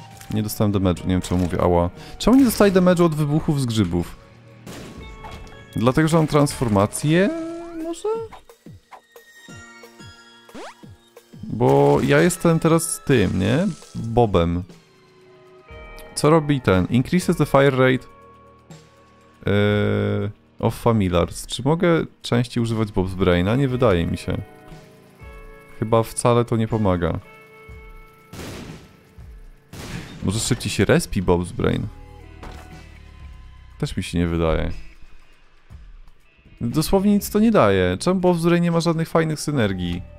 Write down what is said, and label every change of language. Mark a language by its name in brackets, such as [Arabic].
[Polish] Nie dostałem damage'u, nie wiem czemu mówię ała. Czemu nie dostaję damage'u od wybuchów z grzybów? Dlatego, że mam transformację? Może? Bo ja jestem teraz tym, nie? Bobem. Co robi ten? [English] Increases the fire rate of familiars. [Polish] Czy mogę częściej używać Bob's Brain'a? Nie wydaje mi się. Chyba wcale to nie pomaga. Może szybciej się respi Bob's Brain? Też mi się nie wydaje. Dosłownie nic to nie daje. Czemu Bob's Brain nie ma żadnych fajnych synergii?